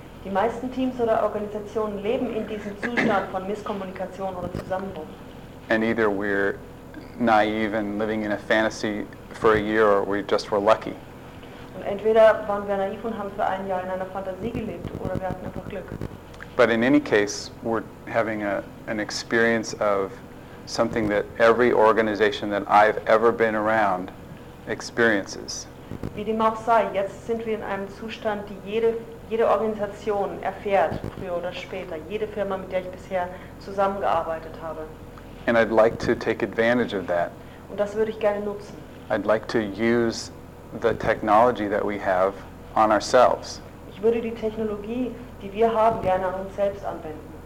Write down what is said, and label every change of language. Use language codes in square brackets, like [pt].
[de] Die meisten Teams oder Organisationen leben in diesem Zustand von Misskommunikation oder Zusammenbruch. [en] And either we're naive and living in a fantasy for a year, or we just were lucky. [de] Und entweder waren wir naiv und haben für ein Jahr in einer Fantasie gelebt, oder wir hatten einfach Glück. [en] But in any case, we're having an experience of something that every organization that I've ever been around experiences. [de] Wie dem auch sei, jetzt sind wir in einem Zustand, die jede Organisation erfährt, früher oder später, jede Firma, mit der ich bisher zusammengearbeitet habe. [en] And I'd like to take advantage of that. [de] Und das würde ich gerne nutzen. [en] I'd like to use the technology that we have on ourselves. [de] Ich würde die Technologie, die wir haben, gerne an uns selbst anwenden.